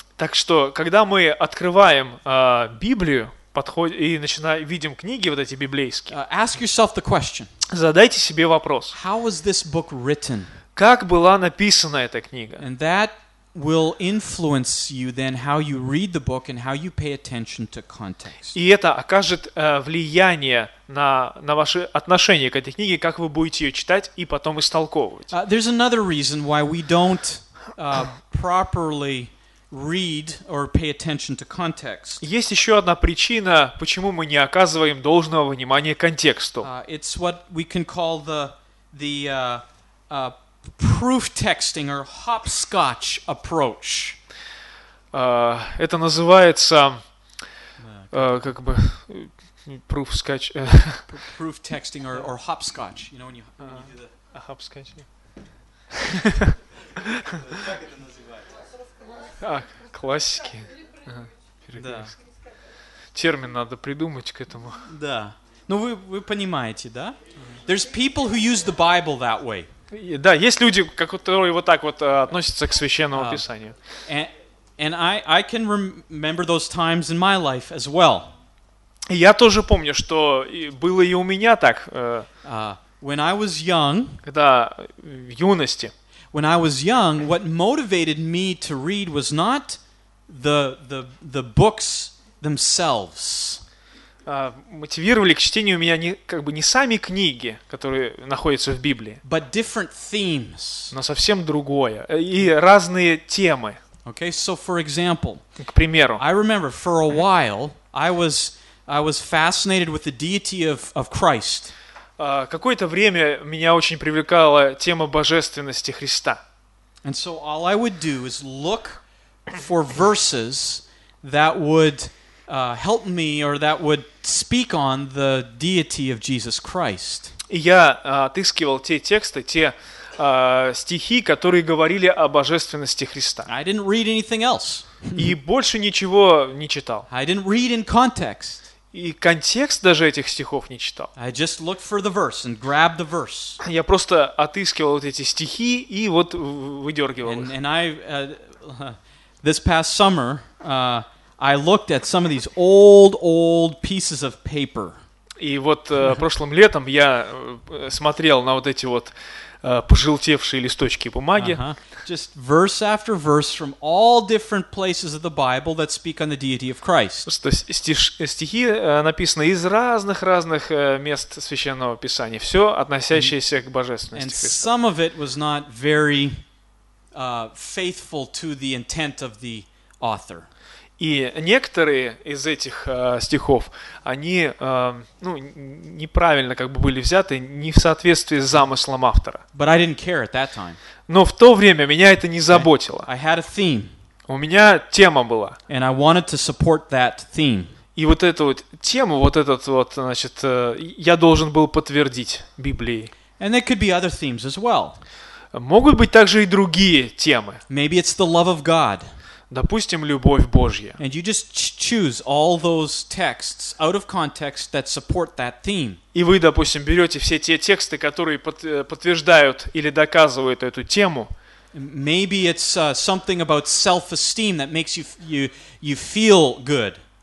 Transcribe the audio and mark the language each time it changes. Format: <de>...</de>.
<ru>Так что, когда мы открываем Библию и начинаем видим книги вот эти библейские,</ru> <en>ask yourself the question.</en> <ru>Задайте себе вопрос.</ru> <en>How was this book written?</en> <ru>Как была написана эта книга?</ru> <en>And that will influence you then how you read the book and how you pay attention to context.</en> <ru>И это окажет влияние на ваши отношения к этой книге, как вы будете ее читать и потом истолковывать.</ru> <en>There's another reason why we don't properly read or pay attention to context.</en> <ru>Есть еще одна причина, почему мы не оказываем должного внимания контексту.</ru> <en>It's what we can call the proof texting or hopscotch approach.</en> <ru>Это называется как бы</ru> <en>proof scotch. Proof texting or hopscotch. You know when you do the hopscotch.</en> <ru>Классики. Термин надо придумать к этому. Да. Ну вы понимаете, да?</ru> <en>There's people who use the Bible that way.</en> <ru>Да, есть люди, которые вот так вот относятся к Священному Писанию.</ru> <en>And I can remember those times in my life as well.</en> <ru>Я тоже помню, что было и у меня так.</ru> <en>When I was young.</en> <ru>Когда в юности.</ru> <en>When I was young, what motivated me to read was not the books themselves.</en> <ru>Мотивировали к чтению меня не как бы не сами книги, которые находятся в Библии.</ru> <en>But different themes.</en> <ru>Но совсем другое и разные темы.</ru> <en>Okay, so for example.</en> <ru>К примеру.</ru> <en>I remember for a while I was fascinated with the deity of Christ.</en> <ru>Какое-то время меня очень привлекала тема божественности Христа.</ru> <en>And so all I would do is look for verses that would help me or that would speak on the deity of Jesus Christ.</en> <ru>И я отыскивал те тексты, те стихи, которые говорили о божественности Христа.</ru> <en>I didn't read anything else.</en> <ru>И больше ничего не читал.</ru> <en>I didn't read in context.</en> <ru>И контекст даже этих стихов не читал.</ru> <en>I just looked for the verse and grabbed the verse.</en> <ru>Я просто отыскивал вот эти стихи и вот выдергивал их.</ru> <en>And I, this past summer, I looked at some of these old pieces of paper.</en> <ru>И вот прошлым летом я смотрел на вот эти вот пожелтевшие листочки бумаги.</ru> <en>Just verse after verse from all different places of the Bible that speak on the deity of Christ.</en> <ru>Стихи написаны из разных мест Священного Писания, все относящееся к божественности Христа.</ru> <en>And some of it was not very faithful to the intent of the author.</en> <ru>И некоторые из этих стихов, они ну, неправильно как бы были взяты, не в соответствии с замыслом автора.</ru> <en>But I didn't care at that time.</en> <ru>Но в то время меня это не заботило.</ru> <en>I had a theme.</en> <ru>У меня тема была.</ru> <en>And I wanted to support that theme.</en> <ru>И вот эту вот тему, вот этот вот, значит, я должен был подтвердить Библией.</ru> <en>And there could be other themes as well.</en> <ru>Могут быть также и другие темы.</ru> <en>Maybe it's the love of God.</en> <ru>Допустим, любовь Божья.</ru> <en>And you just choose all those texts out of context that support that theme.</en> <ru>И вы, допустим, берете все те тексты, которые подтверждают или доказывают эту тему.</ru> <en>Maybe it's something about self-esteem that makes you feel good.</en>